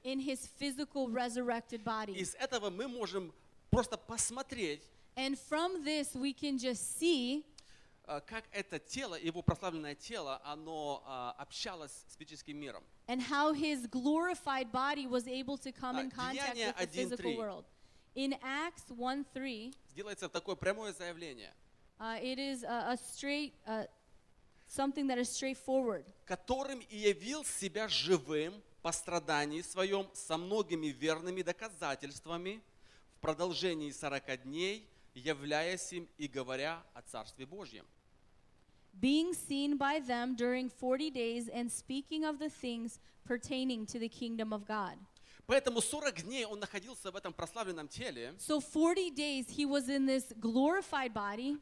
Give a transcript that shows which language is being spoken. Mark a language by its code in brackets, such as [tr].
[en] in his physical resurrected body. [ru] Из этого мы можем просто посмотреть, [en] and from this we can just see, [ru] как это тело, его прославленное тело, оно общалось с физическим миром. [en] And how his glorified body was able to come in contact with the physical world. In Acts 1:3. [ru] Делается такое прямое заявление. [en] It is a straight, something that is straightforward. [ru] Которым и явил себя живым по страдании своем со многими верными доказательствами в продолжении 40 дней, являясь им и говоря о Царстве Божьем. [en] Being seen by them during 40 days and speaking of the things pertaining to the kingdom of God. [ru] Поэтому 40 дней он находился в этом прославленном теле. [en] So 40 days he was in this glorified body.